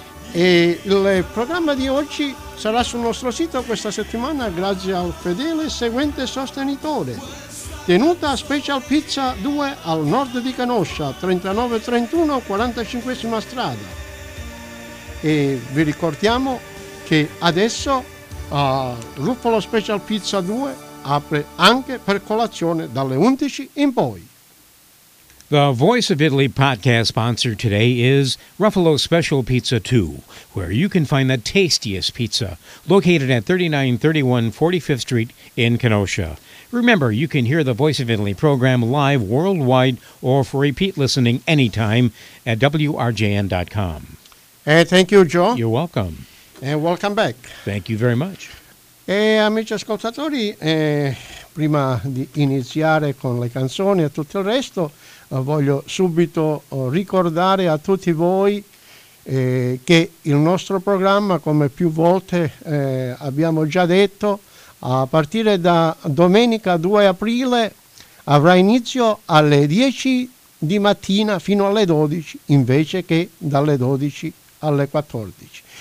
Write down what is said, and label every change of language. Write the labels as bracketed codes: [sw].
[it] E il programma di oggi sarà sul nostro sito questa settimana grazie al fedele seguente sostenitore: Tenuta Special Pizza 2 al nord di Kenosha, 3931 45esima strada. E vi ricordiamo che adesso Ruffalo Special Pizza 2 apre anche per colazione dalle 11 in poi. [en] The Voice of Italy podcast sponsor today is Ruffalo Special Pizza 2, where you can find the tastiest pizza, located at 3931 45th Street in Kenosha. Remember, you can hear the Voice of Italy program live worldwide or for repeat listening anytime at WRJN.com. Hey, thank you, Joe. You're welcome. And welcome back. Thank you very much. [it] Hey, amici ascoltatori, prima di iniziare con le canzoni e tutto il resto, voglio subito ricordare a tutti voi che il nostro programma, come più volte abbiamo già detto, a partire da domenica 2 aprile avrà inizio alle 10 di mattina fino alle 12, invece che dalle 12 alle 14.